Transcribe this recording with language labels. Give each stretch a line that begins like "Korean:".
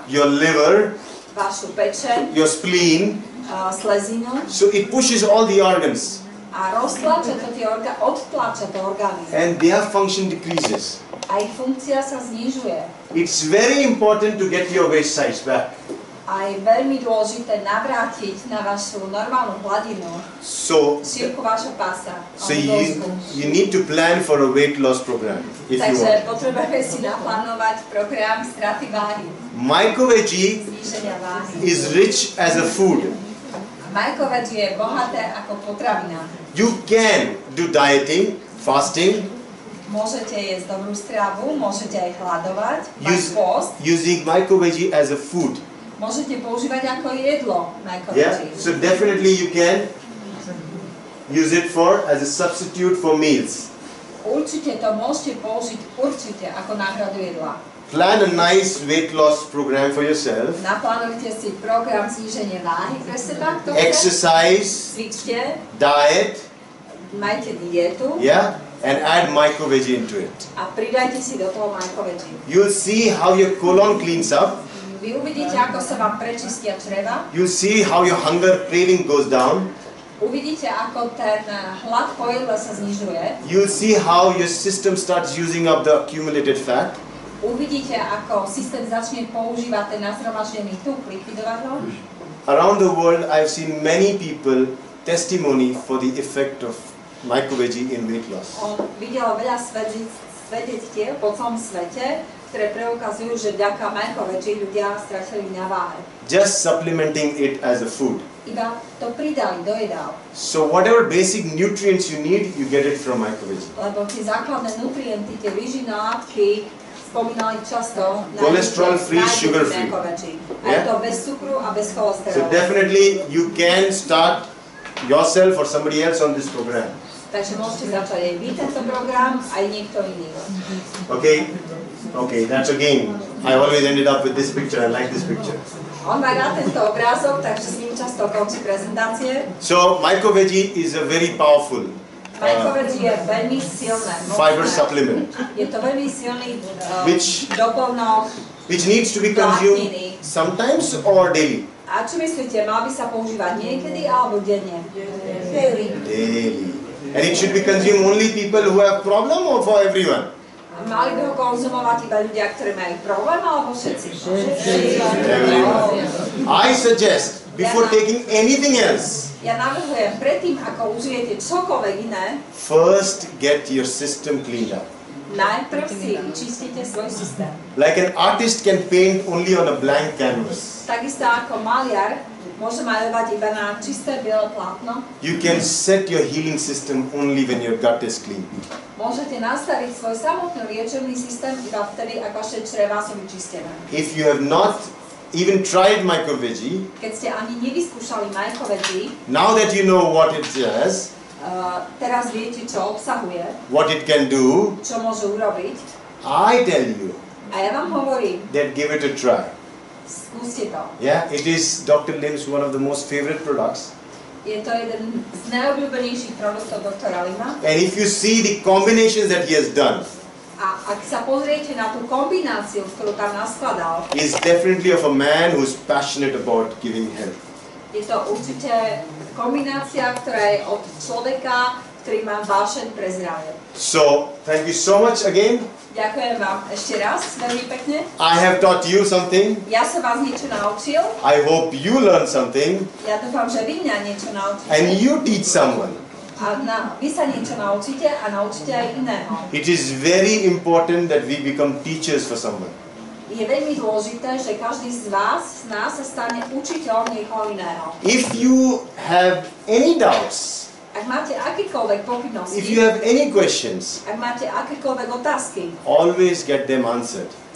English: your liver,
Slovak: vašu pečeň,
English: your spleen,
Slovak: slezinu.
English: So it pushes all the organs.
Slovak: A roztlača to tie orgány, odtlača to orgány.
English: And their function decreases.
Slovak: A ich funkcia sa znižuje.
English: It's very important to get your waist size back.
Slovak: A je veľmi dôležité navrátiť na vašu normálnu hladinu.
English: So,
Slovak: šírku vášho pása.
English: So you need to plan for a weight loss program. If
Slovak: takže
English: you want.
Slovak: Potrebujeme si naplánovať program straty váhy.
English: MycoVeggie is rich as a food.
Slovak: MycoVeggie je bohaté ako potravina.
English: You can do dieting, fasting.
Slovak: Môžete jesť dobrú stravu, môžete aj hladovať, mať post.
English: Using MycoVeggie as a food.
Slovak: Môžete používať ako jedlo MycoVeggie.
English: Yeah, so definitely you can use it for, as a substitute for meals.
Slovak: Určite to môžete použiť určite ako náhradu jedla.
English: Plan a nice weight loss program for yourself.
Slovak: Naplánujte si program zníženie váhy pre seba.
English: Exercise.
Slovak: Cvičte.
English: Diet.
Slovak: Majte dietu.
English: Yeah. And add MycoVeggie into it.
Slovak: A pridajte si do toho MycoVeggie.
English: You'll see how your colon cleans up.
Slovak: Vy uvidíte, ako sa vám prečistia čreva.
English: You'll see how your hunger craving goes down.
Slovak: Uvidíte, ako ten hlad po jedle sa znižuje.
English: You'll see how your system starts using up the accumulated fat.
Slovak: Uvidíte, ako systém začne používať ten nazhromaždený tuk, likvidovať ho.
English: Around the world, I've seen many people testimony for the effect of MycoVeggie in weight loss.
Slovak: Videlo veľa svedectiev po celom svete, ktoré preukazujú, že vďaka MycoVeggie ľudia stratili na váhe.
English: Just supplementing it as a food.
Slovak: Iba to pridali do jedál.
English: So whatever basic nutrients you need, you get it from MycoVeggie.
Slovak: Lebo tie základné nutrienty, tie výživné látky, spomínali často na
English: cholesterol free, sugar free.
Slovak: Je to bez cukru a bez cholesterolu.
English: So definitely you can start yourself or somebody else on this program.
Slovak: Takže môžete začať aj vy tento program, aj niekto iný.
English: Okay. Okay, that's a game. I always ended up with this picture. I like this picture.
Slovak: On má rád tento obrázok, takže s ním často končí prezentácie.
English: So, MycoVeggie is a very powerful
Slovak: MycoVeggie je veľmi silné.
English: Fiber supplement.
Slovak: Je to veľmi silný doplnok.
English: Which needs to be consumed sometimes or daily?
Slovak: A čo myslíte, mal by sa používať niekedy alebo denne?
English: Daily. And it should be consumed only people who have problem or for everyone?
Slovak: Mali by ho konzumovať iba ľudia, ktorí majú problém alebo všetci?
English: Everyone. I suggest before taking anything else.
Slovak: Ja navrhujem predtým, ako užijete čokoľvek iné.
English: First get your system cleaned up.
Slovak: Najprv si čistite svoj systém.
English: Like an artist can paint only on a blank canvas.
Slovak: Takisto ako maliar môže maľovať iba na čisté biele plátno.
English: You can set your healing system only when your gut is clean.
Slovak: Môžete nastaviť svoj samotný liečebný systém iba vtedy, ak vaše čreva sú vyčistené.
English: If you have not even tried MycoVeggie,
Slovak: keď ste ani nevyskúšali MycoVeggie,
English: now that you know what it is,
Slovak: Teraz viete, čo obsahuje,
English: what it can do,
Slovak: čo môže urobiť,
English: I tell you,
Slovak: a ja vám hovorím,
English: then give it a try.
Slovak: Skúste to.
English: Yeah, it is Dr. Lim's one of the most favorite products.
Slovak: Je to jeden z najobľúbenejších produktov doktora Lima.
English: And if you see the combinations that he has done,
Slovak: a ak sa pozriete na tú kombináciu, ktorú tam naskladal,
English: he is definitely of a man who is passionate about giving help.
Slovak: Je to určite kombinácia, ktorá je od človeka, ktorý má vášeň pre zdravie.
English: So, thank you so much again.
Slovak: Ďakujem vám ešte raz, veľmi pekne.
English: I have taught you something.
Slovak: Ja som vás niečo naučil.
English: I hope you learn something.
Slovak: Ja dúfam, že vy mňa niečo naučíte.
English: And you teach someone.
Slovak: Vy sa niečo naučíte a naučíte aj iného.
English: It is very important that we become teachers for someone.
Slovak: Je veľmi dôležité, že každý z vás, z nás, sa stane učiteľom niekoho iného.
English: If you have any doubts,
Slovak: ak máte akékoľvek pochybnosti,
English: if you have any questions,
Slovak: ak máte akékoľvek otázky,
English: always get them answered.